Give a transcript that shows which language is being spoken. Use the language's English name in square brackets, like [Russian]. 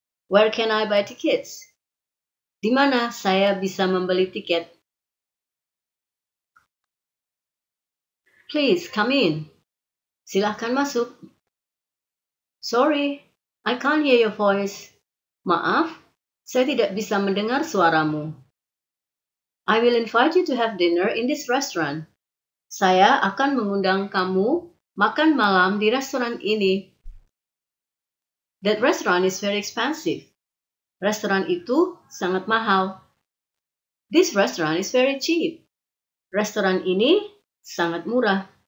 [English] Where can I buy tickets? [Indonesian] Di mana saya bisa membeli tiket? [English] Please come in. [Indonesian] Silakan masuk. [English] Sorry, I can't hear your voice. [Indonesian] Maaf, saya tidak bisa mendengar suaramu. [English] I will invite you to have dinner in this restaurant. [Indonesian] Saya akan mengundang kamu makan malam di restoran ini. [English] That restaurant is very expensive. [Indonesian] Restoran itu sangat mahal. [English] This restaurant is very cheap. [Indonesian] Restoran ini sangat murah.